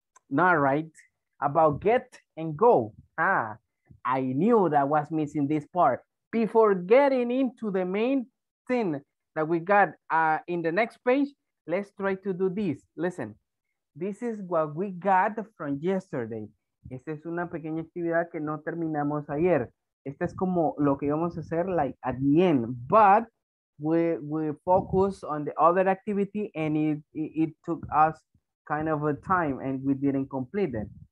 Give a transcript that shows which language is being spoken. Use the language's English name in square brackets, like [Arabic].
[English] Not right. About get and go. Ah, I knew that was missing this part. Before getting into the main thing that we got in the next page, let's try to do this. Listen, This is what we got from yesterday. [Spanish] Esta es una pequeña actividad que no terminamos ayer. Esta es como lo que vamos a hacer, [English] like, at the end. But we focus on the other activity, and it took us kind of a time, and we didn't complete it.